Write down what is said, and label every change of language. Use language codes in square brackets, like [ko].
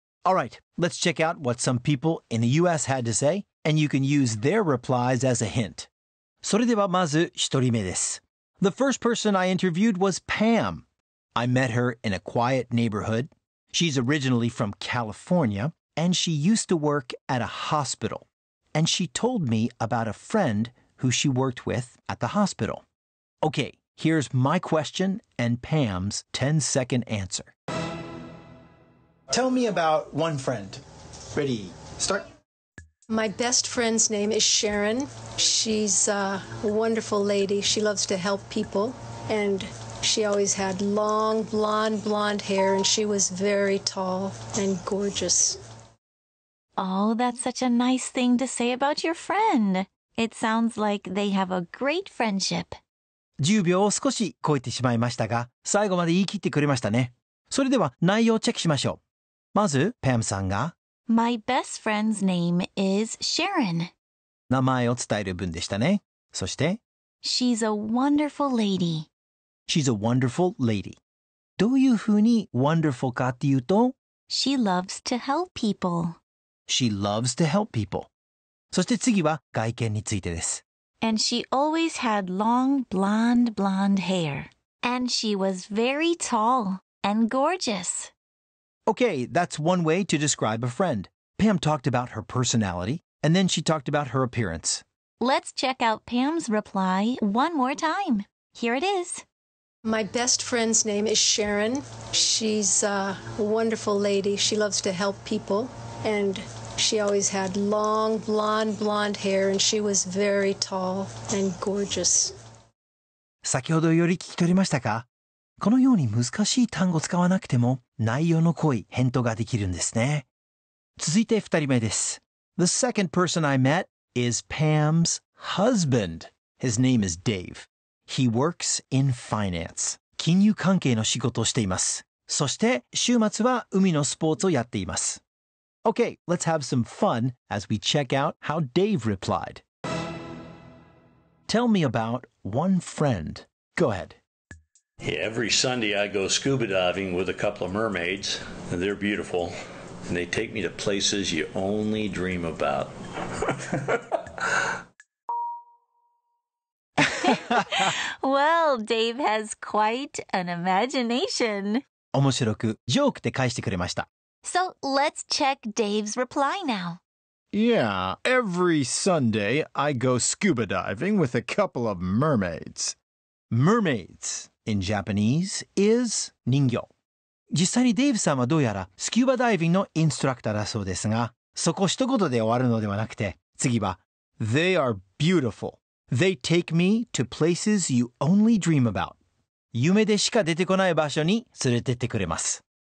[en] Alright, let's check out what some people in the US had to say. And you can use their replies as a hint. [ja] それではまず一人目です。 [en] The first person I interviewed was Pam. I met her in a quiet neighborhood. She's originally from California, and she used to work at a hospital. And she told me about a friend who she worked with at the hospital. Okay, here's my question and Pam's 10-second answer. Tell me about one friend. Ready, start. My best friend's name is Sharon. She's a wonderful lady. She loves to help people. And she always had long, blonde hair. And she was very tall and gorgeous. Oh, that's such a nice thing to say about your friend. It sounds like they have a great friendship. [ja] 10秒を少し超えてしまいましたが、最後まで言い切ってくれましたね。それでは内容をチェックしましょう。まず、Pam さんが、 [en] My best friend's name is Sharon. [ja] 名前を伝える文でしたね。そして [en] She's a wonderful lady. She's a wonderful lady. [ja] どういうふうに wonderful かっていうと [en] She loves to help people. She loves to help people. [ja] そして次は外見についてです。 [en] And she always had long blonde hair. And she was very tall and gorgeous. Okay, that's one way to describe a friend. Pam talked about her personality, and then she talked about her appearance. Let's check out Pam's reply one more time. Here it is. My best friend's name is Sharon. She's a wonderful lady. She loves to help people. And she always had long, blonde hair, and she was very tall and gorgeous. [ja] 先ほどより聞き取りましたか?このように難しい単語を使わなくても内容の濃い返答ができるんですね。続いて二人目です。 [en] The second person I met is Pam's husband. His name is Dave. He works in finance. [ja] 金融関係の仕事をしています。そして週末は海のスポーツをやっています。 [en] Okay, let's have some fun as we check out how Dave replied. Tell me about one friend. Go ahead. Yeah, every Sunday I go scuba diving with a couple of mermaids, and they're beautiful, and they take me to places you only dream about. Well, Dave has quite an imagination. [ja] 面白くジョークで返してくれました。 [en] So, let's check Dave's reply now. Yeah, every Sunday I go scuba diving with a couple of mermaids. Mermaids. In Japanese, is [ja] 人魚。実際にデイブさんはどうやらスキューバダイビングのインストラクターだそうですが、そこ一言で終わるのではなくて、次は [en] They are beautiful. They take me to places you only dream about. [ja] 夢でしか出てこない場所に連れてってくれます。